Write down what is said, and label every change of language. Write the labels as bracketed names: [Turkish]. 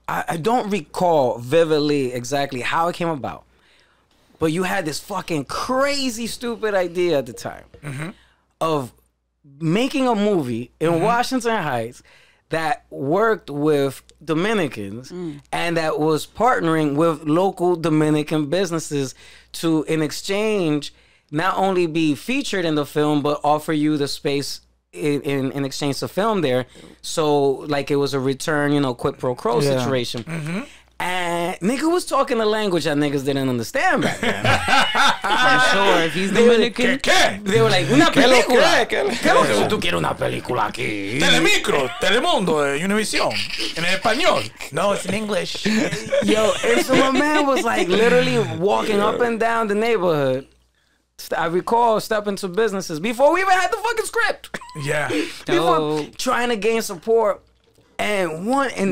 [English] I don't recall vividly exactly how it came about, but you had this fucking crazy stupid idea at the time of making a movie in Washington Heights that worked with Dominicans and that was partnering with local Dominican businesses to, in exchange, not only be featured in the film, but offer you the space in exchange to film there. So, like, it was a return, you know, quid pro quo situation. Mm-hmm. And nigga was talking a language that niggas didn't understand back then. I'm sure if he's Dominican. They were like, [Spanish] una película. ¿Qué es lo que tú quieres una película aquí? Telemicro, Telemundo, Univision. En español. [English] No, it's in English. Yo, and so my man was like literally walking up and down the neighborhood. I recall stepping to businesses before we even had the fucking script. Yeah. Before trying to gain support. And one in